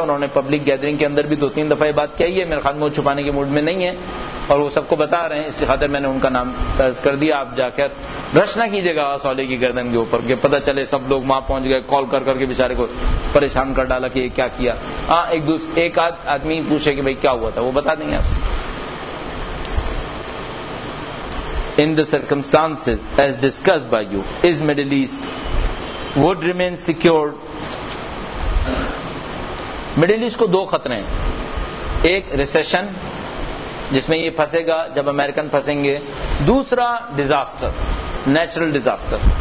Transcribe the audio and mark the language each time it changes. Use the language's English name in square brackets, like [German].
[Urdu] انہوں نے public gathering کے اندر بھی 2-3 دفعہ یہ بات کہی ہے. میرے خیال میں وہ چھپانے کے موڈ میں نہیں ہے اور وہ سب کو بتا رہے ہیں, اس لیے خاطر میں نے ان کا نام درج کر دیا. آپ جا کر برش نہ کیجیے گا صالح کی گردن کے اوپر, کہ پتہ چلے سب لوگ وہاں پہنچ گئے, کال کر کر کے بےچارے کو پریشان کر ڈالا کہ یہ کیا کیا. ہاں ایک آدمی پوچھے کہ بھائی کیا ہوا تھا, وہ بتا دیں گے آپ. [English] In the circumstances as discussed by you, is Middle East would remain secured? [Urdu] Middle East کو دو خطرے ہیں. ایک ریسیشن جس میں یہ پھنسے گا جب امریکن پھنسیں گے, دوسرا ڈیزاسٹر, نیچرل ڈیزاسٹر.